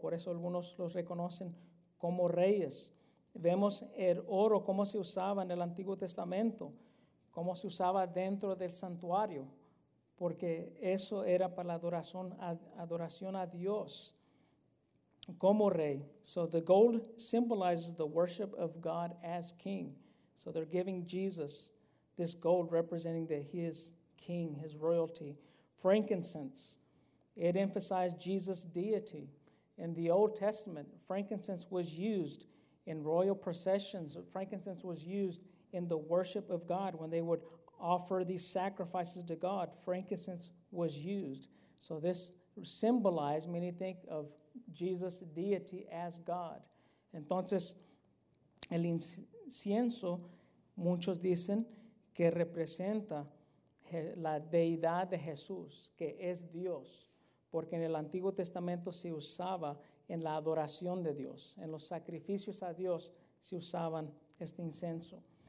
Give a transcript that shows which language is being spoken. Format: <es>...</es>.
<es>Por eso algunos los reconocen como reyes. Vemos el oro, cómo se usaba en el Antiguo Testamento, cómo se usaba dentro del santuario, porque eso era para la adoración a Dios como rey.</es> <en>So the gold symbolizes the worship of God as king. So they're giving Jesus this gold, representing that he is king, his royalty. Frankincense, it emphasized Jesus' deity. In the Old Testament, frankincense was used in royal processions. Frankincense was used in the worship of God when they would offer these sacrifices to God. Frankincense was used. So this symbolized, many think, of Jesus' deity as God.</en> <es>Entonces, el incienso, muchos dicen que representa la deidad de Jesús, que es Dios, porque en el Antiguo Testamento se usaba en la adoración de Dios, en los sacrificios a Dios se usaban este incienso.</es>